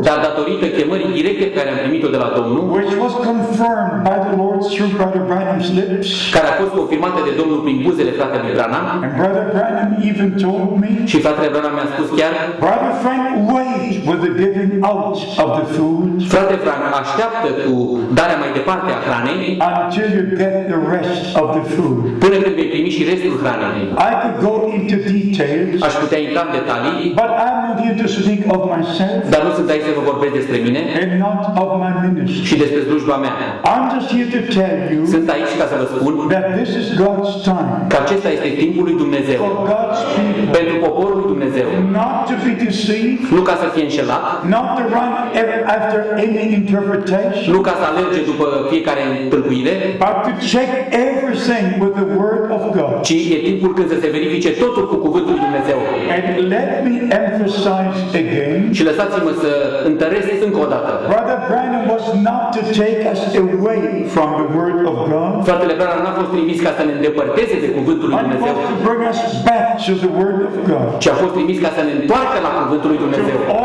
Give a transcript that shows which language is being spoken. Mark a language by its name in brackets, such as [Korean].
[Romanian] Dar datorită chemării directe pe care am primit-o de la Domnul. [English] Which was confirmed by the Lord through Brother Branham's lips. [Romanian] Care a fost confirmată de Domnul prin buzele fratelui Branham. [English] And Brother Branham even told me. [Romanian] Și fratele Branham mi-a spus chiar. [English] Brother Branham wait with the giving out of the food. [Romanian] Frate Branham așteaptă cu darea mai departe a hranei. [English] Until you get the rest of the food. [Romanian] Până când vei primi și restul hranei. [English] I could go into details. [Romanian] Aș putea intra în detalii. [English] But I'm not here to speak of myself. [Romanian] Dar nu sunt aici să vă vorbesc despre mine. [English] And not of my ministry. [Romanian] Și despre slujba mea. [English] I'm just here to tell you. [Romanian] Sunt aici ca să vă spun. [English] That this is God's time. [Romanian] Că acesta este timpul lui Dumnezeu. [English] For God's people. [Romanian] Pentru poporul lui Dumnezeu. [English] Not to be deceived. [Romanian] Nu ca să fie înșelat. [English] Not to run after any interpretation. [Romanian] Nu ca să alerge după fiecare tâlcuire. [English] But to check everything with the word of God. [Romanian] Ci e timpul când să se verifice totul cu cuvântul lui Dumnezeu. [English] And let me emphasize again. [Romanian] Și lăsați-mă să întăresc încă o dată. [English] Brother Branham was not to take us away from the word of God. [Romanian] Fratele Branham n-a fost trimis ca să ne îndepărteze de cuvântul lui Dumnezeu. [English] But to bring us back to the word of God. [Romanian] Ci a fost trimis ca să ne întoarcă la cuvântul lui Dumnezeu.